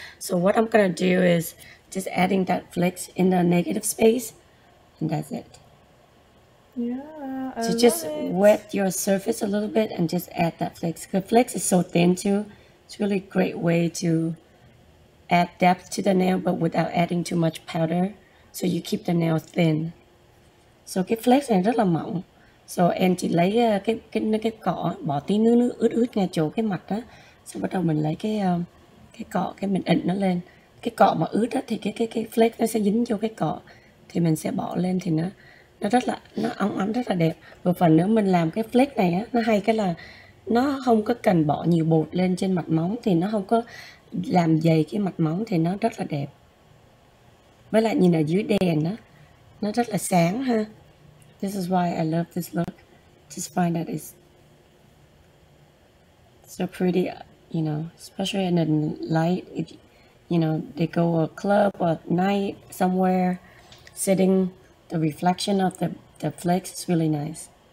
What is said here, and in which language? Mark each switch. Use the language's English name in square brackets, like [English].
[English] So what I'm gonna do is just adding that flakes in the negative space, and that's it. Yeah, I love just it. Wet your surface a little bit and just add that flakes. Because flakes is so thin too. It's really a great way to add depth to the nail, but without adding too much powder. So you keep the nail thin. So [Vietnamese] cái flake này rất là mỏng. So em chỉ lấy cái cọ, bỏ tí nước nước ướt ướt ngay chỗ cái mặt đó. Xong bắt đầu mình lấy cái cọ, cái mình ịn nó lên. Cái cọ mà ướt đó, thì cái flake nó sẽ dính vô cái cọ. Thì mình sẽ bỏ lên thì nó óng ánh rất là đẹp. Và phần nếu mình làm cái flake này á, nó hay cái là nó không có cần bỏ nhiều bột lên trên mặt móng, thì nó không có làm dày cái mặt móng, thì nó rất là đẹp. Với lại nhìn ở dưới đèn á, nó rất là sáng ha. [English] This is why I love this look. Just find that it's so pretty, you know, especially in the light. If you know, they go to a club or at night somewhere, sitting, the reflection of the flakes is really nice.